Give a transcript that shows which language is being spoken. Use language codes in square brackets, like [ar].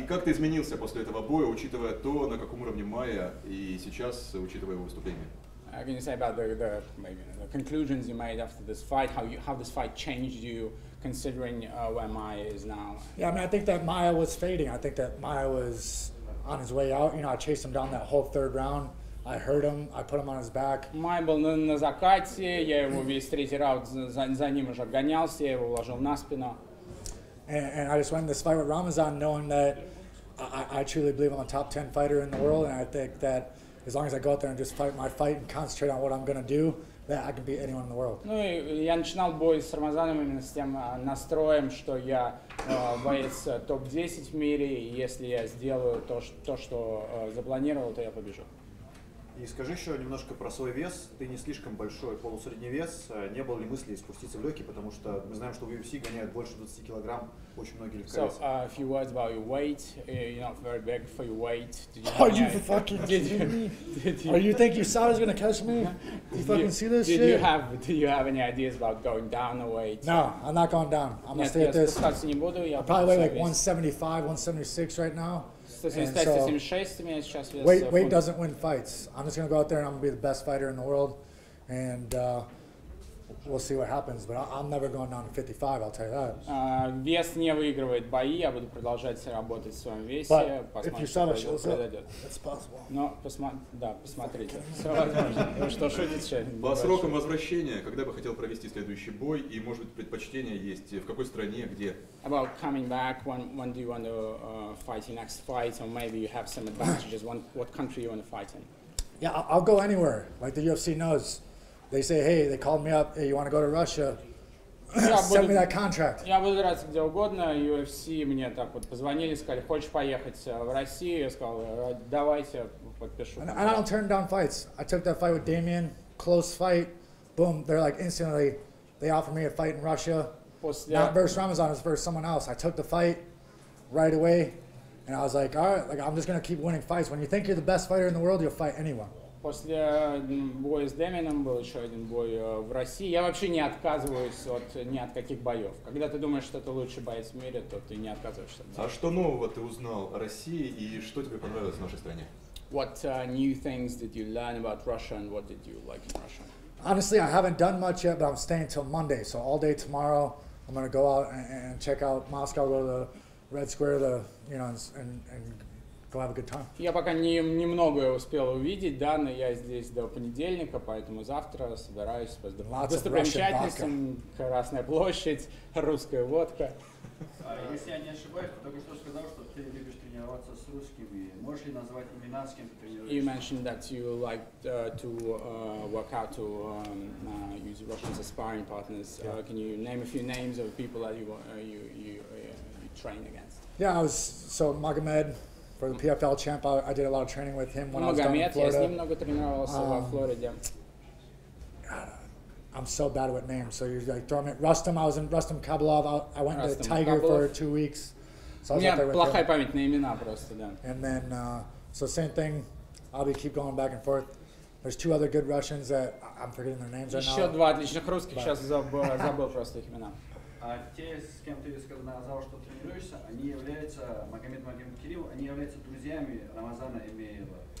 [ru] И как ты изменился после этого боя, учитывая то, на каком уровне Майя и сейчас, учитывая его выступление? [en] Can you say about the conclusions you made after this fight? How this fight changed you, considering where Maya is now? Yeah, I mean, I think that Maya was fading. I think that Maya was on his way out. You know, I chased him down that whole third round. I hurt him. I put him on his back. [ru] Maya был на закате. Я его весь третий раунд за ним уже гонялся. Я его уложил на спину. [en] And I just went in this fight with Ramazan, knowing that I truly believe I'm a top 10 fighter in the world, and I think that as long as I go out there and just fight my fight and concentrate on what I'm going to do, that I can beat anyone in the world. [ru] Ну, я начинал бой с Рамазаном именно с тем настроем, что я боец топ-10 в мире, и если я сделаю то, что запланировал, то я побежу. И скажи еще немножко про свой вес. Ты не слишком большой полусредний вес. Не было ли мысли спуститься в легкий, потому что мы знаем, что в UFC гоняют больше 20 килограмм очень многие легковесы. [en] So, a few words about your weight. You're not very big for your weight. Are you think your size is gonna catch me? You fucking see this shit? Do you have any ideas about going down the weight? No, I'm not going down. I'm gonna stay at this. I probably weigh like 175, 176 right now. And so, weight doesn't win fights. I'm just gonna go out there and I'm gonna be the best fighter in the world, and we'll see what happens. But I'm never going down to 55. I'll tell you that. [ru] Вес не выигрывает бои. Я буду продолжать работать в своем весе. [en] But if you saw it, it's possible. [ru] Но посмотрите. Все возможно. Ну что, шутите? По срокам возвращения, когда бы хотел провести следующий бой, и может быть предпочтение есть в какой стране, где? [en] About coming back, when do you want to fight your next fight, or maybe you have some advantages? What country you want to fight in? Yeah, I'll go anywhere. Like the UFC knows. They say, hey, they called me up, hey, you want to go to Russia, send me that contract. [ru] Я буду драться где угодно, UFC мне так вот позвонили, сказали, хочешь поехать в Россию? Я сказал, давайте, подпишу. [en] And I don't turn down fights. I took that fight with Damien, close fight, boom, they're like instantly, they offered me a fight in Russia. Not versus Ramazan, it's versus someone else. I took the fight right away, and I was like, all right, like, I'm just going to keep winning fights. When you think you're the best fighter in the world, you'll fight anyone. [ru] После боя с Дэмином был еще один бой в России. Я вообще не отказываюсь от ни от каких боев. Когда ты думаешь, что ты лучший боец в мире, то ты не отказываешься. А что нового ты узнал о России и что тебе понравилось в нашей стране? [en] What new things did you learn about Russia and what did you like in Russia? Honestly, I haven't done much yet, but I'm staying till Monday. So all day tomorrow, I'm gonna go out and check out Moscow, go to the Red Square, and go have a good time. [ru] Я пока немного успел увидеть, да, но я здесь до понедельника, поэтому завтра собираюсь по достопримечательностям, Красная площадь, русская водка. Если я не ошибаюсь, ты только что сказал, что ты любишь тренироваться с русскими. Можешь ли назвать имена, с кем ты тренируешься? [en] You mentioned that you like to work out to use Russian sparring partners. Yeah. Can you name a few names of people that you train against? Yeah, I was so Magomed. For the PFL champ, I did a lot of training with him when I was down in Florida. I'm so bad with names. So you're like, throw me Rustam. I was in Rustam Kabilov. I went to Tiger Kabilov for 2 weeks. So I was out there with him. [ru] Память на имена просто, да. [en] And then, so same thing. I'll keep going back and forth. There's two other good Russians that I'm forgetting their names right now. [ru] Еще два отличных русских. Сейчас забыл просто их имена. А те, с кем ты сказал, что тренируешься, они являются, Магомед Кирилл, они являются друзьями Рамазана Эмиева.